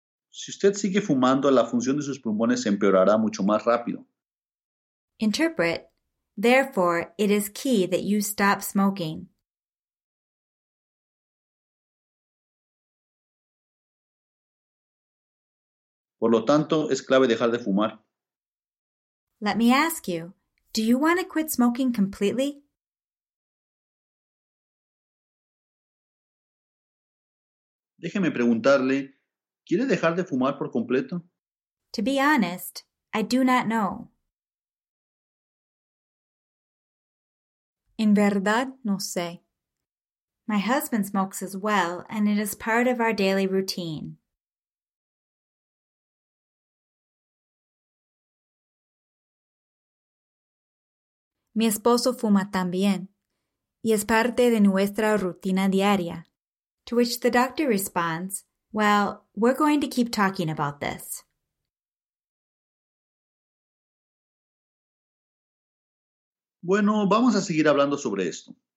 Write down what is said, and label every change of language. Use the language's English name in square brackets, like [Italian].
[Spanish] Si usted sigue fumando, la función de sus pulmones se empeorará mucho más rápido. [English] Interpret, therefore, it is key that you stop smoking. [Spanish] Por lo tanto, es clave dejar de fumar. [English] Let me ask you, do you want to quit smoking completely? [Spanish] Déjeme preguntarle, ¿quiere dejar de fumar por completo? [English] To be honest, I do not know. [Spanish] En verdad, no sé. [English] My husband smokes as well, and it is part of our daily routine. [Spanish] Mi esposo fuma también, y es parte de nuestra rutina diaria. [English] To which the doctor responds, well, we're going to keep talking about this. [Spanish] Bueno, vamos a seguir hablando sobre esto.